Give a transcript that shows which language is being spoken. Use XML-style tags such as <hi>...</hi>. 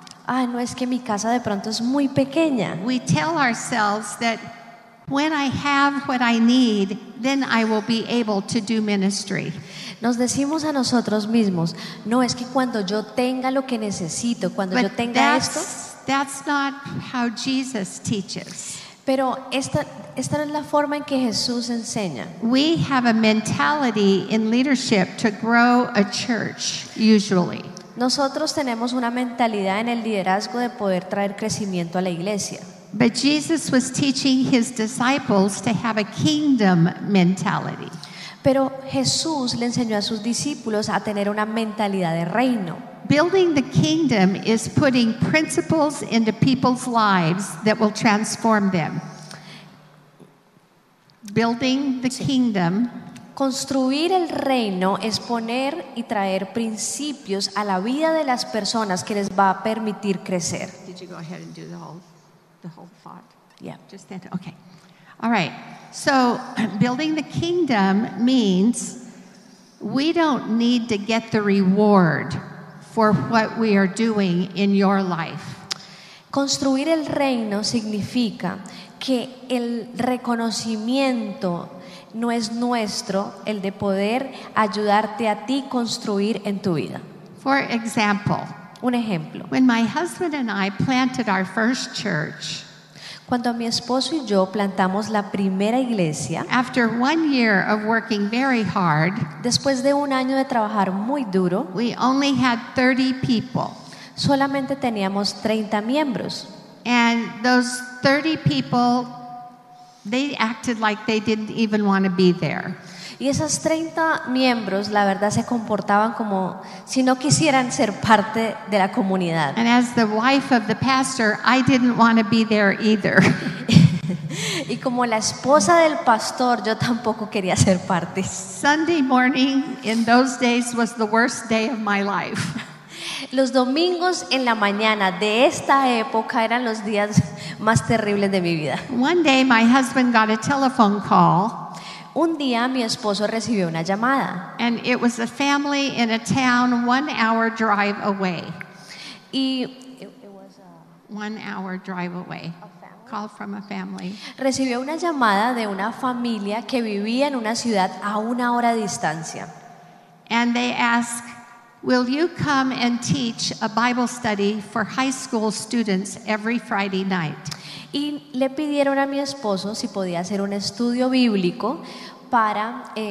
<es>Ah, no es que mi casa de pronto es muy pequeña.</es> <en>We tell ourselves that when I have what I need, then I will be able to do ministry.</en> <es>Nos decimos a nosotros mismos, no es que cuando yo tenga lo que necesito, cuando</es> <en>but</en> <es>yo tenga esto.</es> <en>That's not how Jesus teaches.</en> <es>Pero esta no es la forma en que Jesús enseña.</es> <en>We have a mentality in leadership to grow a church, usually.</en> <es>Nosotros tenemos una mentalidad en el liderazgo de poder traer crecimiento a la iglesia.</es> <en>But Jesus was teaching his disciples to have a kingdom mentality.</en> <es>Pero Jesús le enseñó a sus discípulos a tener una mentalidad de reino.</es> <en>Building the kingdom is putting principles into people's lives that will transform them. Building the kingdom.</en> <es>Construir el reino es poner y traer principios a la vida de las personas que les va a permitir crecer.</es> <en>Did you go ahead and do the whole thought? Yeah. Just then. Okay. All right. So building the kingdom means we don't need to get the reward for what we are doing in your life.</en> <es>Construir el reino significa que el reconocimiento no es nuestro, el de poder ayudarte a ti construir en tu vida.</es> <en>For example,</en> <es>un ejemplo.</es> <en>When my husband and I planted our first church,</en> <es>cuando mi esposo y yo plantamos la primera iglesia,</es> <en>after 1 year of working very hard,</en> <es>después de un año de trabajar muy duro,</es> <en>we only had 30 people.</en> <es>Solamente teníamos 30 miembros.</es> <en>And those 30 people They acted like they didn't even want to be there.</en> <es>Y esos 30 miembros, la verdad, se comportaban como si no quisieran ser parte de la comunidad.</es> <en>And as the wife of the pastor, I didn't want to be there either.</en> <es>Y como la esposa del pastor, yo tampoco quería ser parte.</es> <en>Sunday morning in those days was the worst day of my life.</en> <es>Los domingos en la mañana de esta época eran los días más terribles de mi vida.</es> <en>One day my husband got a telephone call.</en> <es>Un día mi esposo recibió una llamada.</es> <en>And it was a family in a town 1 hour drive away.</en> <es>Y</es> <en>it was a 1 hour drive away. Call from a family.</en> <es>Recibió una llamada de una familia que vivía en una ciudad a una hora de distancia.</es> <en>And they ask, "Will you come and teach a Bible study for high school students every Friday night?"</en> <es>Y le pidieron a mi esposo si podía hacer un estudio bíblico para</es>